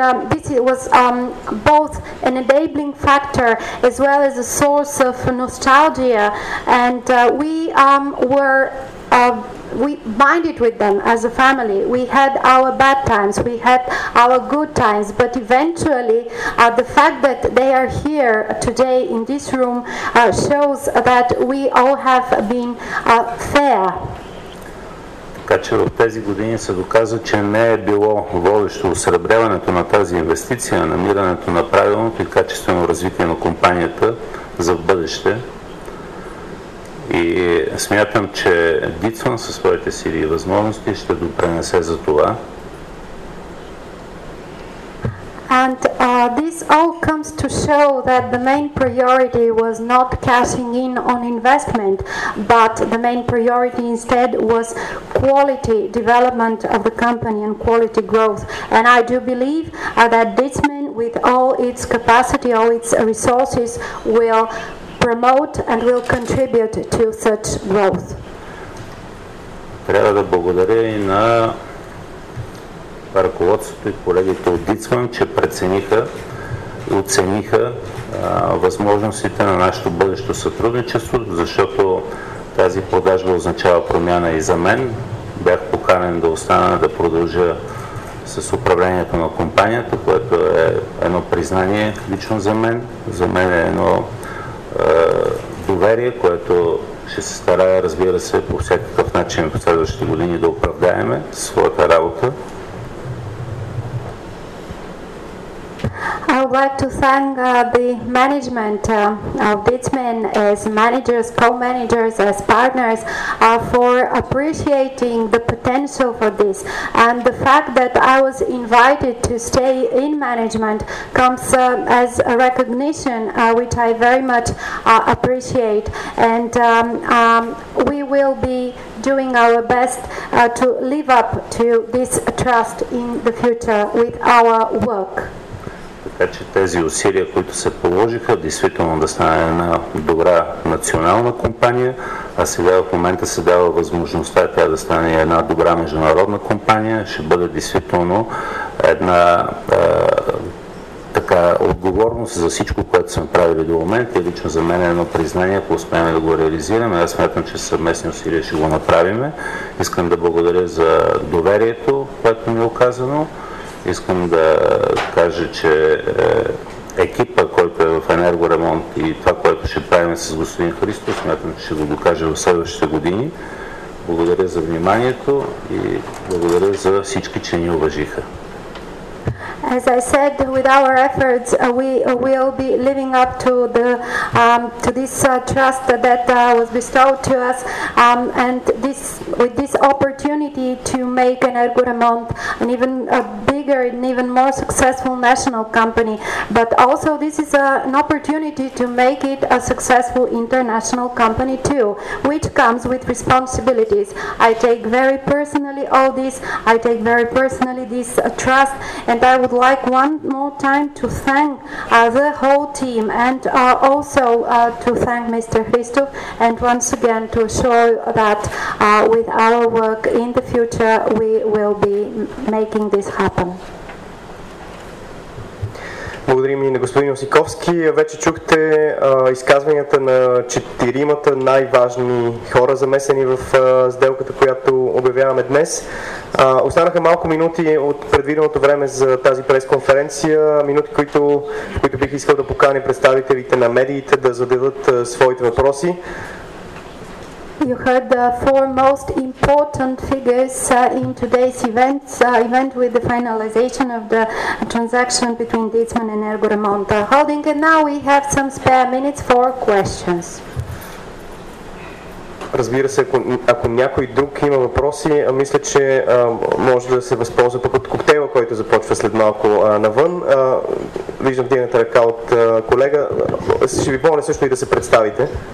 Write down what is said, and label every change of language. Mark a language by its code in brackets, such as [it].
[en] This was both an enabling factor as well as a source of nostalgia, and we were we bonded with them as a family. We had our bad times, we had our good times, but eventually the fact that they are here today in this room shows that we all have been fair. [bg] Така че в тези години се доказва, че не е било водещо осребряването на тази инвестиция, намирането на правилното и качествено развитие на компанията за в бъдеще. И смятам, че Дитсон със своите сили и възможности ще допренесе за това. [en] And this all comes to show that the main priority was not cashing in on investment, but the main priority instead was quality development of the company and quality growth. And I do believe that Ditsman, with all its capacity, all its resources, will promote and will contribute to such growth. [bg] Трябва да благодаря и на ръководството и колегите от Дицман, че прецениха и оцениха възможностите на нашето бъдещо сътрудничество, защото тази продажба означава промяна и за мен. Бях поканен да остана да продължа с управлението на компанията, което е едно признание лично за мен. За мен е едно доверие, което ще се старая, разбира се, по всякакъв начин в следващите години да оправдаеме своята работа. [en] I would like to thank the management of Ditsman as managers, co-managers, as partners for appreciating the potential for this. And the fact that I was invited to stay in management comes as a recognition which I very much appreciate. And we will be doing our best to live up to this trust in the future with our work. [bg] Така че тези усилия, които се положиха, действително да стане една добра национална компания, а сега в момента се дава възможността тя да стане една добра международна компания, ще бъде действително една така отговорност за всичко, което сме правили до момента, и лично за мен е едно признание, ако успеем да го реализираме. Аз смятам, че съвместни усилия ще го направиме. Искам да благодаря за доверието, което ми е оказано. Искам да кажа, че екипа, който е в Енергоремонт, и това, което ще правим с господин Христо, смятам, че ще го докаже в следващите години. Благодаря за вниманието и благодаря за всички, че ни уважиха. [en] As I said, with our efforts, we will be living up to the to this trust that was bestowed to us, and this with this opportunity to make Energoremont an even bigger and even more successful national company. But also, this is an opportunity to make it a successful international company too, which comes with responsibilities. I take very personally all this. I take very personally this trust, and I would like one more time to thank the whole team, and also to thank Mr. Christo, and once again to assure that with our work in the future we will be making this happen. [bg] Благодарим и на господин Осиковски. Вече чухте изказванията на четиримата най-важни хора, замесени в сделката, която обявяваме днес. Останаха малко минути от предвиденото време за тази пресконференция. Минути, в които бих искал да поканя представителите на медиите да зададат своите въпроси. [en] You heard the four most important figures in today's events, event with the finalization of the transaction between Ditsman and Energoremont Holding. And now we have some spare minutes for questions. [bg] Разбира се, ако някой друг има въпроси, мисля, че може да се възползва пък от коктейла, който започва след малко навън. Виждам вдигната ръка от колега. Ще ви помоля също и да се представите.